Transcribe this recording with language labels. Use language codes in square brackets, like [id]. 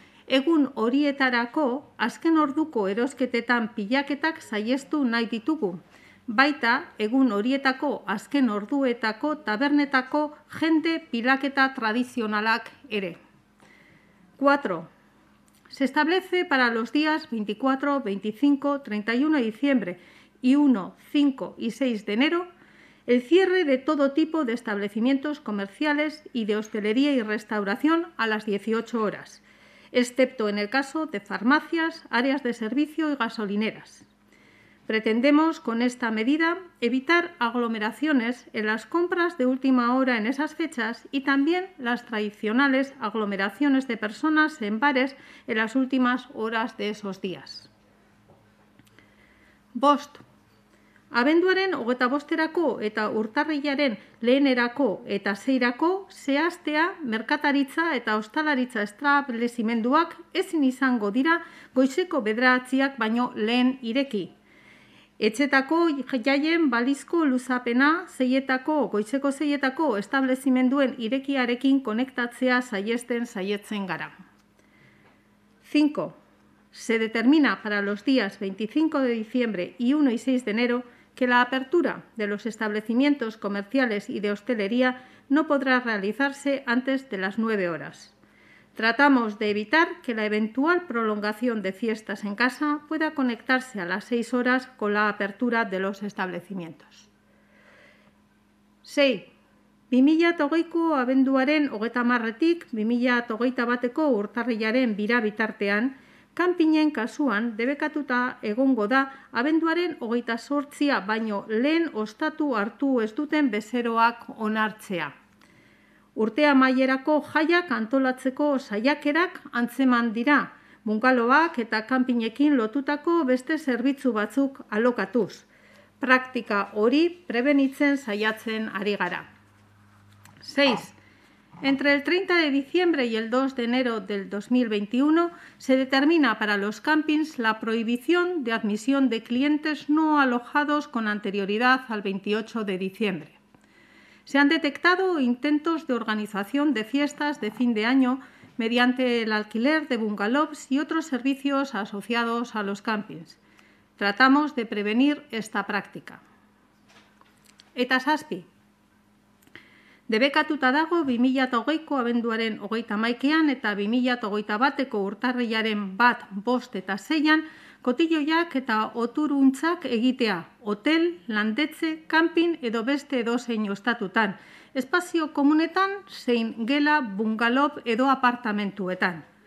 [eu] Egun horietarako, azken orduko erosketetan pilaketak saiestu nahi ditugu, baita egun horietako azken orduetako tabernetako jende pilaketa tradizionalak ere. [es] 4. Se establece para los días 24, 25, 31 de diciembre y 1, 5 y 6 de enero el cierre de todo tipo de establecimientos comerciales y de hostelería y restauración a las 18 horas, excepto en el caso de farmacias, áreas de servicio y gasolineras. Pretendemos, con esta medida, evitar aglomeraciones en las compras de última hora en esas fechas y también las tradicionales aglomeraciones de personas en bares en las últimas horas de esos días. [eu] Bost. Abenduaren 25erako eta urtarrilaren 1erako eta 6erako zehaztea merkataritza eta ostalaritza establezimenduak ezin izango dira goizeko 9ak baino lehen ireki. Etxetako jaien balizko luzapena 6etako goizeko 6etako establezimenduen irekiarekin konektatzea saietzen gara. [es] 5. Se determina para los días 25 de diciembre y 1 y 6 de enero que la apertura de los establecimientos comerciales y de hostelería no podrá realizarse antes de las 9 horas. Tratamos de evitar que la eventual prolongación de fiestas en casa pueda conectarse a las 6 horas con la apertura de los establecimientos. 6. [eu] 2020ko abenduaren 30etik 2021ko urtarrilaren bira bitartean, kanpinen kasuan debekatuta egongo da abenduaren 28a baino lehen ostatu hartu ez duten bezeroak onartzea. Urte amaierako jaiak antolatzeko saiakerak antzeman dira, bungaloak eta kanpinekin lotutako beste zerbitzu batzuk alokatuz. Praktika hori prebenitzen saiatzen ari gara. [es] 6. Entre el 30 de diciembre y el 2 de enero del 2021 se determina para los campings la prohibición de admisión de clientes no alojados con anterioridad al 28 de diciembre. Se han detectado intentos de organización de fiestas de fin de año mediante el alquiler de bungalows y otros servicios asociados a los campings. Tratamos de prevenir esta práctica. [eu] Eta saspi. Debekatuta dago 2020ko abenduaren 31ean eta 2021ko urtarrilaren 1, 5 eta 6an kotilloiak eta oturuntzak egitea, hotel, landetze, kanpin edo beste edozein ostatutan, espazio komunetan zein gela, bungalow edo apartamentuetan.